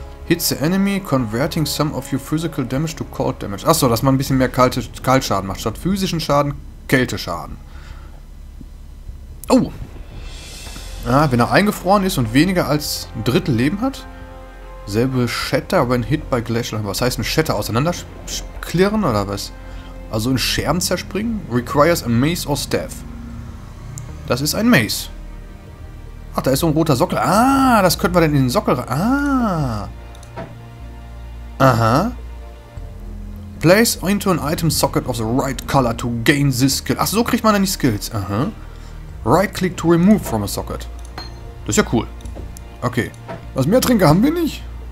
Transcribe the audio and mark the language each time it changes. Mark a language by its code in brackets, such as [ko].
[en] Hits the enemy, converting some of your physical damage to cold damage. [de] Achso, dass man ein bisschen mehr Kaltschaden macht. Statt physischen Schaden, Kälteschaden. Oh! Ah, wenn er eingefroren ist und weniger als ein Drittel Leben hat. Selbe [en] Shatter when hit by Glacial. [de] Was heißt ein Shatter? Auseinanderklirren oder was? Also in Scherben zerspringen? [en] Requires a mace or staff. [de] Das ist ein Mace. Ach, da ist so ein roter Sockel. Ah, das könnten wir denn in den Sockel rein. Ah. Aha. [en] Place into an item socket of the right color to gain this skill. [de] Ach, so kriegt man dann die Skills. Aha. [en] Right click to remove from a socket. [de] Das ist ja cool. Okay. Was mehr Trinke haben wir nicht?